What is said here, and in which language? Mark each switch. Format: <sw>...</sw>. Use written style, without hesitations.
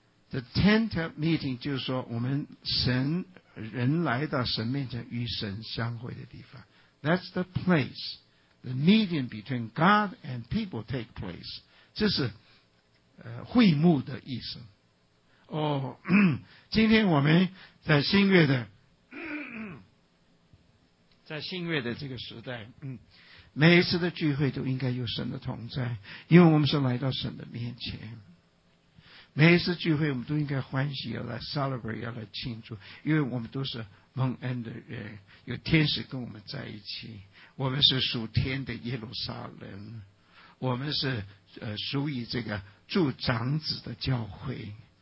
<en>The tent of meeting</en> <zh>就是说我们神人来到神面前与神相会的地方。</zh> <en>That's the place. The meeting between God and people take place.</en> <zh>这是会幕的意思。今天我们在新约的这个时代，每一次的聚会都应该有神的同在，因为我们是来到神的面前。每一次聚会我们都应该欢喜，要来 celebrate， 要来庆祝，因为我们都是蒙恩的人，有天使跟我们在一起，我们是属天的耶路撒冷，我们是属于这个住长子的教会。</zh>